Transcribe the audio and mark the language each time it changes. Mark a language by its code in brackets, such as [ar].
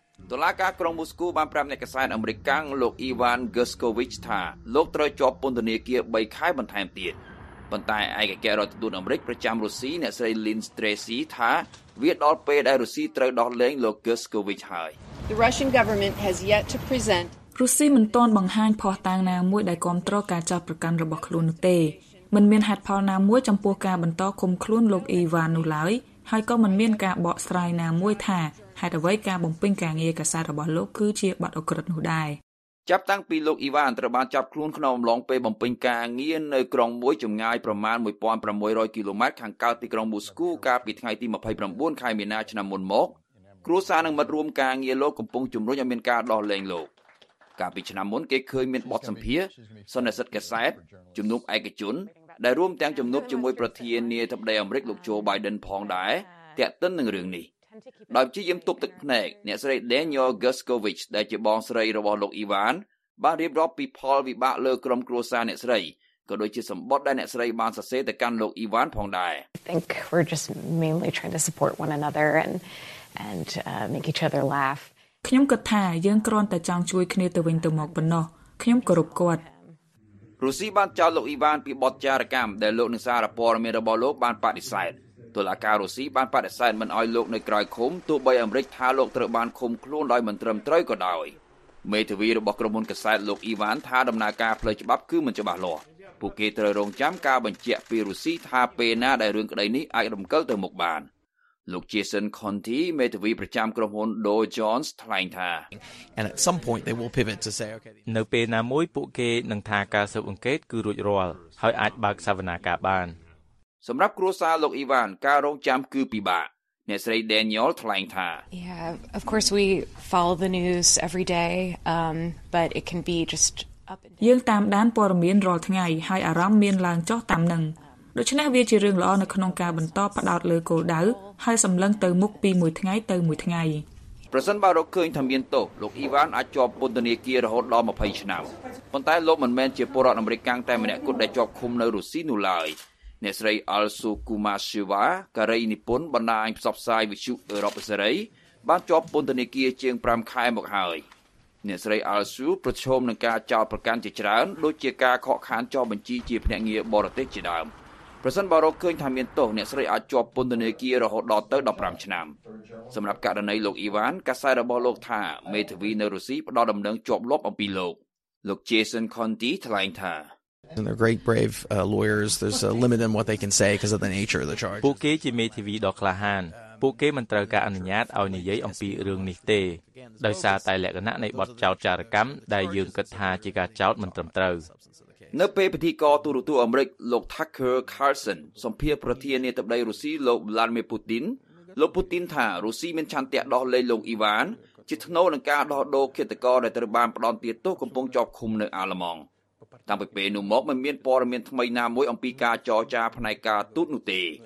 [km] តុលាការក្រុងមូស្គូបានប្រាប់អ្នកកាសែតអាមេរិកាំងលោក Ivan Goshkovich ថាលោកត្រូវជាប់ពន្ធនាគារ3ខែបន្ថែមទៀតប៉ុន្តែឯកអគ្គរដ្ឋទូតអាមេរិកប្រចាំរុស្ស៊ីអ្នកស្រី Lynn Stracy ថាវាដល់ពេលដែលរុស្ស៊ីត្រូវដោះលែងលោក Goshkovich ហើយ [en] The Russian government has yet to present [km] រុស្ស៊ីមិនទាន់បង្ហាញភស្តុតាងណាមួយដែលគាំទ្រការចោទប្រកាន់របស់ខ្លួននោះទេមិនមានហេតុផលណាមួយចំពោះការបន្តឃុំខ្លួនលោក Ivan នោះឡើយហើយក៏មិនមានការបកស្រាយណាមួយថាហេតុអ្វីការបំពេញការងារកាសែតរបស់លោកគឺជាបទអក្រក់នោះដែរ ចាប់តាំងពីលោកអ៊ីវ៉ានត្រូវបានចាប់ខ្លួនក្នុងអំឡុងពេលបំពេញការងារនៅក្រុងមួយចម្ងាយប្រមាណ1600គីឡូម៉ែត្រខាងកើតទីក្រុងមូស្គូកាលពីថ្ងៃទី29ខែមីនាឆ្នាំមុនមកគ្រួសារនិងមិត្តរួមការងារលោកកំពុងជំរុញឲ្យមានការដោះលែងលោក កាលពីឆ្នាំមុនគេឃើញមានបទសម្ភាសន៍សន្និសីទកាសែតជំនួបឯកជនដែលរួមទាំងជំនួបជាមួយប្រធាននាយកដ្ឋានអាមេរិកលោកโจ Biden ផងដែរតាក់ទិននឹងរឿងនេះដោយជាយឹមទប់ទឹកភ្នែកអ្នកស្រី Daniel Goshkovich ដែលជាបងស្រីរបស់លោក Ivan បានរៀបរាប់ពីផលវិបាកលើក្រុមគ្រួសារអ្នកស្រីក៏ដូចជាសម្បត្តិដែលអ្នកស្រីបានសរសេរទៅកាន់លោក Ivan ផងដែរ [en] I think we're just mainly trying to support one another and make each other laugh [km] ខ្ញុំគិតថាយើងគ្រាន់តែចង់ជួយគ្នាទៅវិញទៅមកប៉ុណ្ណោះខ្ញុំគោរពគាត់រុស្ស៊ីបានចោទលោក Ivan ពីបទចារកម្មដែលលោកនឹងសារព័ត៌មានរបស់លោកបានបដិសេធទូឡាការរុស្ស៊ីបានបដិសេធមិនអោយលោកនៅក្រៅឃុំទោះបីអាមេរិកថាលោកត្រូវបានឃុំខ្លួនដោយមិនត្រឹមត្រូវក៏ដោយមេធាវីរបស់ក្រុមហ៊ុនកាសែតលោកអ៊ីវ៉ានថាដំណើរការផ្លូវច្បាប់គឺមិនច្បាស់លាស់ពួកគេត្រូវរងចាំការបញ្ជាក់ពីរុស្ស៊ីថាពេលណាដែលរឿងក្តីនេះអាចរំកិលទៅមុខបានលោក Jason Conti មេធាវីប្រចាំក្រុមហ៊ុន Dow Jones ថ្លែងថានៅពេលណាមួយពួកគេនឹងថាការស៊ើបអង្កេតគឺរួចរាល់ហើយអាចបើកសវនាការបាន សម្រាប់គ្រួសារលោកអ៊ីវ៉ានការរងចាំគឺពិបាកអ្នកស្រី Daniel ថ្លែងថា [en] Yeah of course we follow the news every day but it can be just up and down [km] យើងតាមដានព័ត៌មានរាល់ថ្ងៃហើយអារម្មណ៍មានឡើងចុះតាមនឹងដូច្នេះវាជារឿងល្អនៅក្នុងការបន្តផ្ដោតលើគោលដៅហើយសម្លឹងទៅមុខពីមួយថ្ងៃទៅមួយថ្ងៃ ប្រសិនបើរកឃើញថាមានទោសលោកអ៊ីវ៉ានអាចជាប់ពន្ធនាគាររហូតដល់20ឆ្នាំប៉ុន្តែលោកមិនមែនជាពលរដ្ឋអាមេរិកកាំងតែម្នាក់គត់ដែលជាប់ឃុំនៅរុស្ស៊ីនោះឡើយអ្នកស្រី Alsu Kumashiva ការីនិពន្ធបណ្ដាញផ្សព្វផ្សាយវិទ្យុអឺរ៉ុបសេរីបានជាប់ពន្ធនាគារជាង5ខែមកហើយ អ្នកស្រី Alsu ប្រឈមនឹងការចោទប្រកាន់ជាច្រើនដូចជាការខកខានចុះបញ្ជីជាភ្នាក់ងារបរទេសជាដើមប្រសិនបើរកឃើញថាមានទោសអ្នកស្រីអាចជាប់ពន្ធនាគាររហូតដល់ទៅ15ឆ្នាំសម្រាប់ករណីលោក Ivan កាសែតរបស់លោកថាមេធាវីនៅរុស្ស៊ីផ្ដល់ដំណឹងជាប់លាប់អំពីលោកលោក Jason Conti ថ្លែងថា [en] and they're great brave lawyers there's a limit on what they can say because of the nature of the charges [km] ពួកគេជាមេធាវីដ៏ក្លាហាន ពួកគេមិនត្រូវការអនុញ្ញាតឲ្យនិយាយអំពីរឿងនេះទេដោយសារតែលក្ខណៈនៃបទចោទចារកម្មដែលយើងគិតថាជាការចោទមិនត្រឹមត្រូវ នៅពេលពិធីករទូរទស្សន៍អាមេរិកលោក Tucker Carlson សម្ភាសន៍ប្រធានាធិបតីរុស្ស៊ីលោក Vladimir Putin លោក Putin ថារុស្ស៊ីមានឆន្ទៈដោះលែងលោក Ivan ជាថ្នូរនឹងការដោះដូរឃាតករដែលត្រូវបានផ្ដន្ទាទោសកំពុងជាប់ឃុំនៅអាឡឺម៉ង់តាមពីពេលនោះមកមានព័ត៌មានថ្មីណាមួយអំពីការចរចាផ្នែកការទូតនោះទេ